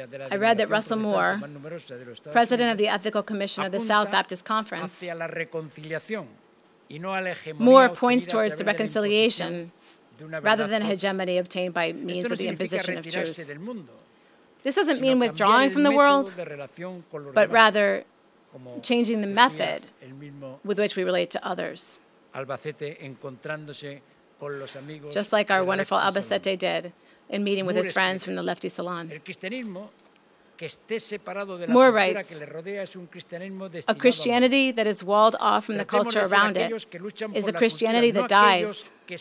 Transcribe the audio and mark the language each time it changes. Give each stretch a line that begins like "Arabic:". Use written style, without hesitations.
English: I read that Russell Moore, president of the Ethical Commission of the South Baptist Conference,
Spanish: hacia la reconciliación y no a la hegemonía.
English: Moore points towards the reconciliation rather than hegemony obtained by means of the imposition of truth. This doesn't mean withdrawing from the world, but rather changing the method with which we relate to others.
Spanish: Albacete encontrándose con los amigos.
English: Just like our wonderful Albacete did in meeting with his friends from the lefty salon.
Spanish: El cristianismo que esté separado de la cultura que le rodea es un cristianismo destinado.
English: A Christianity that is walled off from the culture around it is a Christianity that dies.